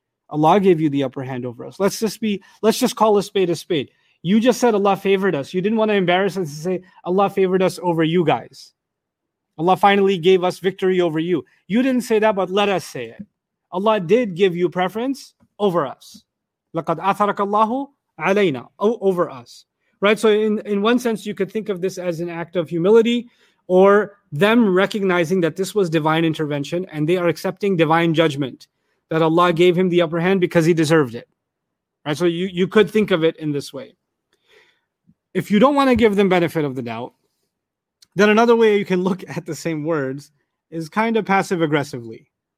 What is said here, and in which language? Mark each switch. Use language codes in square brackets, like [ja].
[en] Allah gave you the upper hand over us." Let's just call a spade a spade. You just said Allah favored us. You didn't want to embarrass us and say, "Allah favored us over you guys. Allah finally gave us victory over you." You didn't say that, but let us say it. Allah did give you preference over us. [ar] لَقَدْ أَثَرَكَ اللَّهُ عَلَيْنَا, [en] over us. Right? So in one sense, you could think of this as an act of humility, or them recognizing that this was divine intervention and they are accepting divine judgment, that Allah gave him the upper hand because he deserved it. Right? So you could think of it in this way. If you don't want to give them benefit of the doubt, then another way you can look at the same words is kind of passive aggressively.